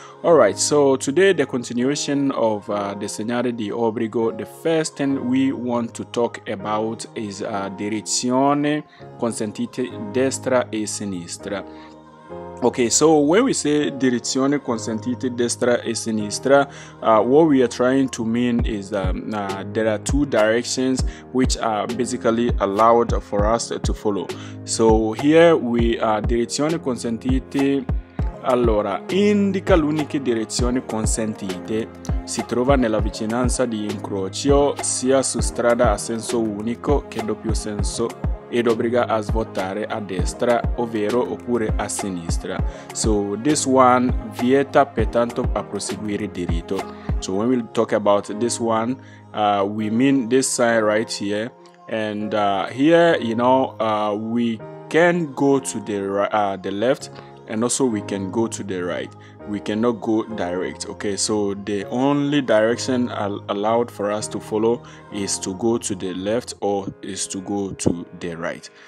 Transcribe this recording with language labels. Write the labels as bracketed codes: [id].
[en] Alright, so today the continuation of the Segnale di Obbligo, the first thing we want to talk about is [it] direzione consentita destra e sinistra. [en] Okay, so when we say [it] direzione consentita destra e sinistra, [en] what we are trying to mean is there are two directions which are basically allowed for us to follow. So here we are [it] direzione consentita. Allora, indica l'unica direzione consentita, si trova nella vicinanza di incrocio sia su strada a senso unico che doppio senso ed obbliga a svoltare a destra ovvero oppure a sinistra. [en] So this one [it] vieta pertanto a proseguire diritto. [en] So when we talk about this one, we mean this sign right here, and here, you know, we can go to the left, and also we can go to the right. We cannot go direct. Okay, so the only direction allowed for us to follow is to go to the left or is to go to the right.